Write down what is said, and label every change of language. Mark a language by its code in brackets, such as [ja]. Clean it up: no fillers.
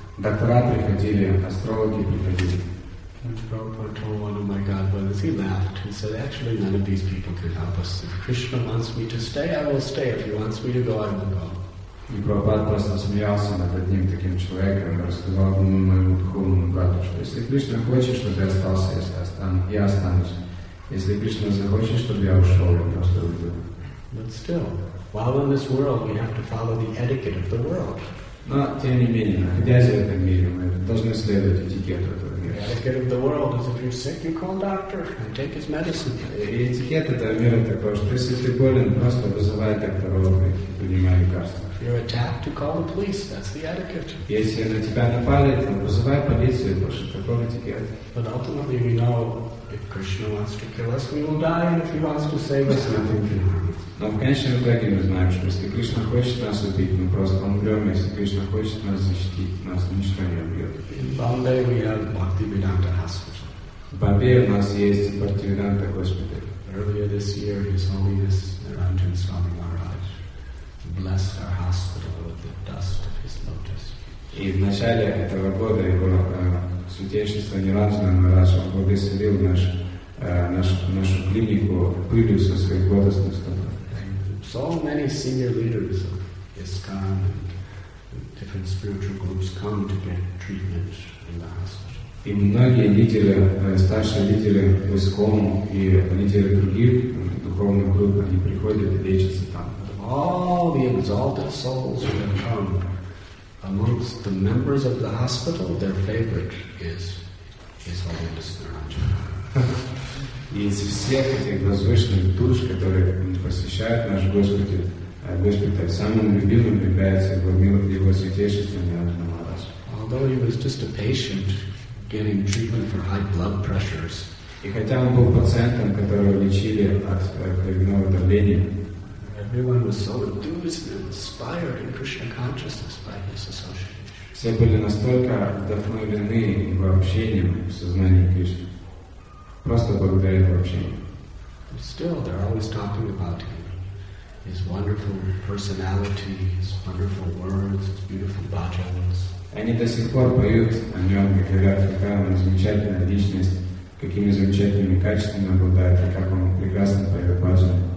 [ru] Доктора приходили, астрологи приходили. [en] And Prabhupada told one of my godbrothers, he laughed. He said, actually none of these people can help us. If Krishna wants me to stay, I will stay. If he wants me to go, I will go. [ru] И Прабхупада просто смеялся над одним таким человеком и рассказал ему моему духовному брату, что если Кришна хочет, чтобы я остался, я останусь. Если Кришна захочет, чтобы я ушел, я просто уйду. [en] But still, while in this world, we have to follow the etiquette of the world. [ru] Но тем не менее, находясь в этом мире, мы должны следовать этикету этого мира. [en] The etiquette of the world is if you're sick, you call a doctor and take his medicine. [ru] И этикет этого мира такой, что если ты болен, просто вызывай докторов и принимай лекарства. [en] If you're attacked, you call the police. That's the etiquette. [ru] Если на тебя напали, то вызывай полицию, потому что такой этикет. [en] But ultimately, we know. If Krishna wants to kill us, we will die, and if he wants to save us, nothing can happen. [ru] Но в конечном итоге мы знаем, что если Кришна хочет нас убить, мы просто умрем, если Кришна хочет нас защитить, нас ничто не убьет. [en] In Bombay we have Bhaktivedanta Hospital. [ru] В Бомбее у нас есть Бхактивиданта Госпиталь. [en] Earlier this year, His Holiness Niranjan Swami Maharaj blessed our hospital with the dust of His lotus. [ru] И в начале этого года его святейшество Ниранджана Махарадж благословил нашу клинику пылью со своих лотосных стоп. [en] So many senior leaders of ISKCON and different spiritual groups come to get treatment in the hospital. [ru] И многие лидеры, старшие лидеры ISKCON и лидеры других духовных групп, они приходят и лечатся там. [en] All the exalted souls who have come. Amongst the members of the hospital, their favorite is His Holiness Niranjana. [ru] Из всех этих возвышенных душ, которые посещают наш Госпиталь, самым любимым является Его Святейшество Ниранджана Махарадж. [en] Although he was just a patient getting treatment for high blood pressures, [ru] и хотя он был пациентом, которого лечили от кровяного давления, [en] everyone was so enthused and inspired in Krishna consciousness by his association. [ru] Все были настолько вдохновлены его общением в сознании Кришны. Просто благодаря его общению. [en] But still, they're always talking about him, his wonderful personality, his wonderful words, his beautiful bhajans. [ru] Они до сих пор поют о нем и говорят, какая он замечательная личность, какими замечательными качествами обладает, и как он прекрасно поет бхаджан.